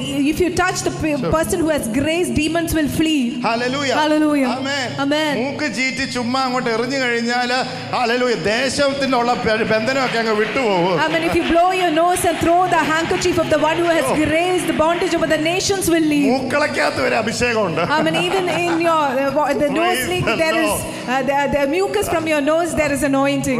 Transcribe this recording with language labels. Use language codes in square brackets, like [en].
[en] If you touch the person who has grace, demons will flee. Hallelujah. Hallelujah. Amen. Amen. [ml] മൂക്ക് ജീറ്റി ചുമ്മാ അങ്ങോട്ട് എറിഞ്ഞു കഴിഞ്ഞാൽ ഹല്ലേലൂയ ദേശത്തിനുള്ള ബന്ധനമൊക്കെ അങ്ങ് വിട്ടുപോകും. [en] Amen. If you blow your nose and throw the handkerchief of the one who has grace, the bondage over the nations will leave. [ml] മൂക്കളക്കാത്ത ഒരു അഭിഷേകം ഉണ്ട്. [en] Amen. Even in your the nose leak, there is the mucus from your nose, there is anointing.